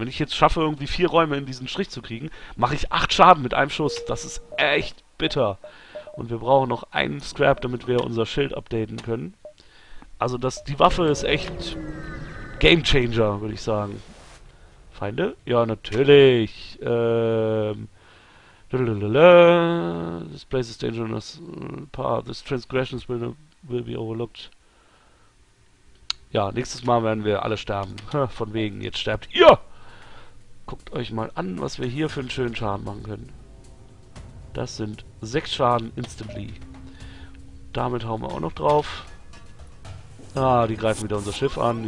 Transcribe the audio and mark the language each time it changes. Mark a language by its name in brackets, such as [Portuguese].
[German] Wenn ich jetzt schaffe, irgendwie 4 Räume in diesen Strich zu kriegen, mache ich 8 Schaden mit einem Schuss. Das ist echt bitter. Und wir brauchen noch einen Scrap, damit wir unser Schild updaten können. Also das, die Waffe ist echt Game Changer, würde ich sagen. Feinde? Ja, natürlich. [English] This place is dangerous. This transgressions will be overlooked. [German] Ja, nächstes Mal werden wir alle sterben. Von wegen, jetzt sterbt ihr! Guckt euch mal an, was wir hier für einen schönen Schaden machen können. Das sind 6 Schaden instantly. Damit hauen wir auch noch drauf. Ah, die greifen wieder unser Schiff an.